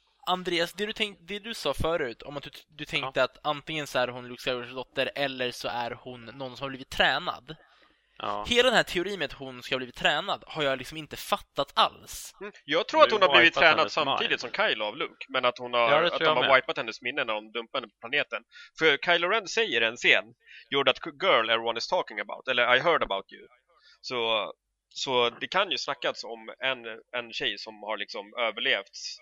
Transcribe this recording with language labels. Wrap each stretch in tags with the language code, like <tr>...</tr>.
<sv>Andreas, det du sa förut om att du tänkte att antingen så är hon Luke Skywalkers dotter eller så är hon någon som har blivit tränad. Ja. Hela den här teorin med att hon ska ha blivit tränad har jag liksom inte fattat alls. Jag tror att hon har blivit tränad samtidigt som Kylo av Luke, men att hon har, wipat hennes minnen när hon dumpade på planeten. För Kylo Ren säger en scen,</sv> <en>you're that girl everyone is talking about,</en> <sv>eller</sv> <en>I heard about you.</en> <sv>Så det kan ju snackas om en tjej som har liksom överlevt</sv>